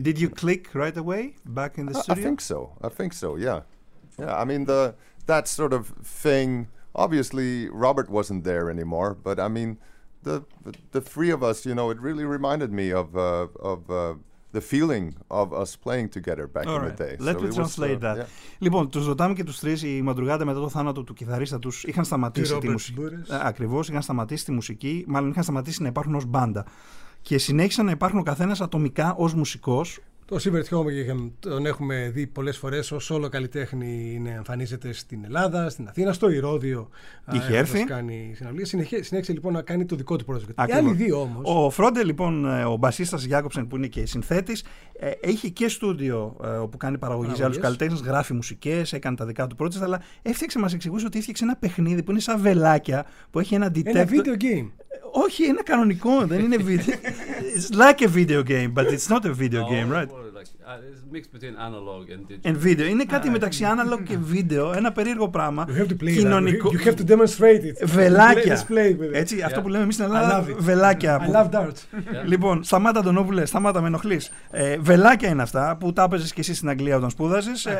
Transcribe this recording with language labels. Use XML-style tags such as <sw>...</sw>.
<en>And did you click right away back in the studio? I think so. Yeah. I mean, that sort of thing. Obviously, Robert wasn't there anymore, but I mean. The three of us, you know, it really reminded me of the feeling of us playing together back All in right. the day. Let so me translate was, that. Yeah.</en> <el>Λοιπόν, τους ρωτάμε και τους τρεις, η Μαντρουγάτα μετά το θάνατο του κιθαρίστα τους είχαν σταματήσει τη μουσική. Ακριβώς, είχαν σταματήσει τη μουσική, μάλλον είχαν σταματήσει να υπάρχουν ως μπάντα. Και συνέχισαν να υπάρχουν ο καθένας ατομικά ως μουσικός. Το Σίβερτ Χόμπεγγεν τον έχουμε δει πολλές φορές ως όλο καλλιτέχνη είναι, εμφανίζεται στην Ελλάδα, στην Αθήνα, στο Ηρώδιο. Είχε έρθει. Κάνει συναυλίες. Συνέχισε λοιπόν να κάνει το δικό του project. Οι άλλοι δύο όμως. Ο Φρόντε λοιπόν, ο μπασίστας Γιάκοψεν που είναι και συνθέτης, έχει και στούντιο όπου κάνει παραγωγή για άλλους καλλιτέχνες, γράφει μουσικές, έκανε τα δικά του project, αλλά έφτιαξε, μας εξηγούσε ότι έφτιαξε ένα παιχνίδι που είναι σαν βελάκια που έχει ένα detector. Ένα video game. Όχι, ένα κανονικό, δεν είναι βίντεο.</el> <en>It's like a video game, but it's not a video game, right? It's mixed between analog and digital. And video.</en> <el>Είναι κάτι μεταξύ analog και βίντεο, ένα περίεργο πράγμα.</el> <en>You have to play</en> <el>κοινωνικό.</el> <en>You have to demonstrate it.</en> <el>Βελάκια.</el> <en>Let's play with it.</en> <el>Έτσι, yeah. Αυτό που λέμε εμείς στην Ελλάδα, βελάκια.</el> <en>I love darts.</en> <el>Λοιπόν, σταμάτα τον όπου λες, σταμάτα με ενοχλείς. Βελάκια είναι αυτά που τα έπαιζες και εσύ στην Αγγλία όταν σπούδαζες.</el>